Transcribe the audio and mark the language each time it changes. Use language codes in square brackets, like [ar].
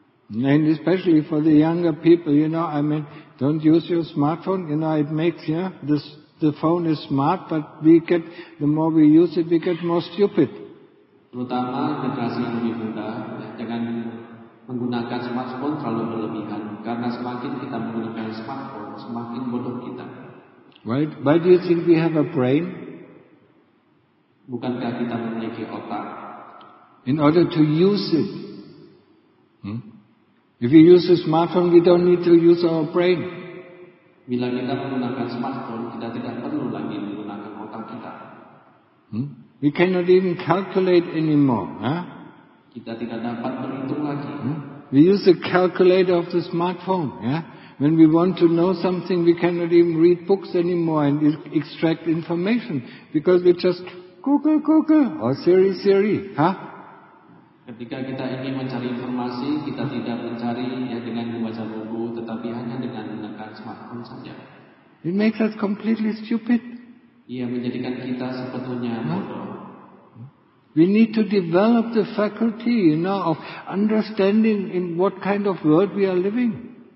[en] And especially for the younger people, you know, I mean, don't use your smartphone. You know, it makes, yeah, the phone is smart, but the more we use it, we get more stupid. [id] Terutama generasi yang lebih muda, ya, jangan menggunakan smartphone terlalu berlebihan. Karena semakin kita menggunakan smartphone, semakin bodoh kita. [en] Right? Why do you think we have a brain? [id] Bukankah kita memiliki otak? [en] In order to use it. If we use a smartphone, we don't need to use our brain. [id] Bila kita menggunakan smartphone, kita tidak perlu lagi menggunakan otak kita. [en] We cannot even calculate anymore. Huh? [id] Kita tidak dapat berhitung lagi. [en] We use the calculator of the smartphone. Yeah? When we want to know something, we cannot even read books anymore and extract information. Because we just Google, Google, or Siri, Siri. Huh? [id] Ketika kita ingin mencari informasi, kita tidak mencari ya dengan membaca buku, tetapi hanya dengan menggunakan smartphone saja. [en] It makes us completely stupid. [id] Ia menjadikan kita sebetulnya bodoh. [en] We need to develop the faculty, you know, of understanding in what kind of world we are living.